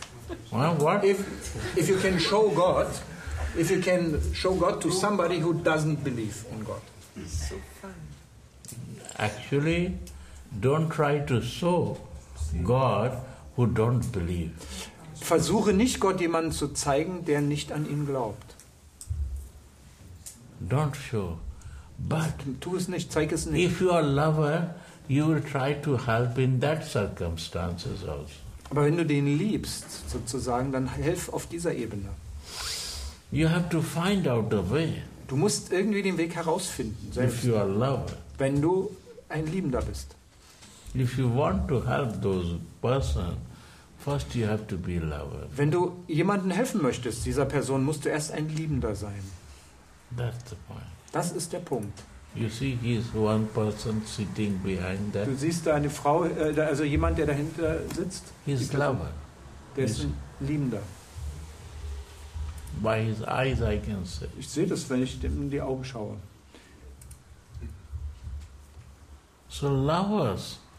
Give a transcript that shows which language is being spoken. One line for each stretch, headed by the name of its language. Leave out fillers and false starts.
English: If you can show God, if you can show God to somebody who doesn't believe in God. Actually, don't try to show God who don't believe.
German: Versuche nicht, Gott jemanden zu zeigen, der nicht an ihn glaubt.
English: Don't show. But
German: tu es nicht, zeig es nicht.
English: If you are a lover, you will try to help in that circumstances also.
German: Aber wenn du den liebst, sozusagen, dann helf auf dieser Ebene.
English: You have to find out the way.
German: Du musst irgendwie den Weg herausfinden, selbst.
English: If you are a lover.
German: Wenn du ein Liebender bist.
English: If you want to help those person, first you have to be a lover.
German: Wenn du jemanden helfen möchtest, dieser Person, musst du erst ein Liebender sein.
English: That's the point.
German: Das ist der Punkt.
English: You see, he is one person sitting behind that.
German: Du siehst da eine Frau, also jemand, der dahinter sitzt.
English: His lover.
German: Der ist ein Liebender.
English: By his eyes I can see.
German: Ich sehe das, wenn ich in die Augen schaue.
English: So lovers.